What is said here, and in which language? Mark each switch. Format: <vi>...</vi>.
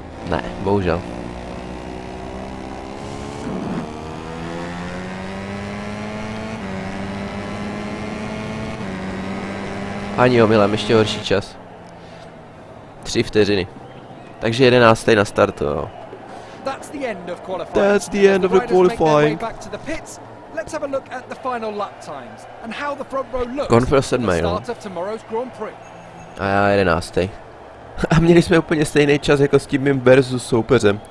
<cs>Ne, bohužel. Ani omylem, ještě horší čas. 3 vteřiny. Takže 11. na startu, jo.</cs> <en>That's the end of qualifying. Let's have a look at the final lap times and how the front row looks for the start of tomorrow's Grand Prix.</en> <cs>A já 11. A měli jsme úplně stejný čas jako s tím mým versus soupeřem.</cs>